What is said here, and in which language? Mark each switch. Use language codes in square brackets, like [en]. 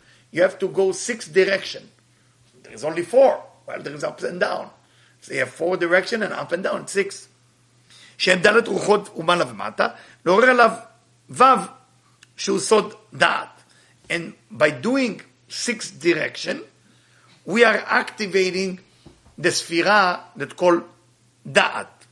[en] You have to go six directions. There is only four. Well, there is up and down. So you have four directions and up and down, six. [he] שהם דלת רוחות ומעלה ומטה, לעורר עליו וו שהוא סוד דעת. [en] And by doing six direction, we are activating the ספירה that called דעת.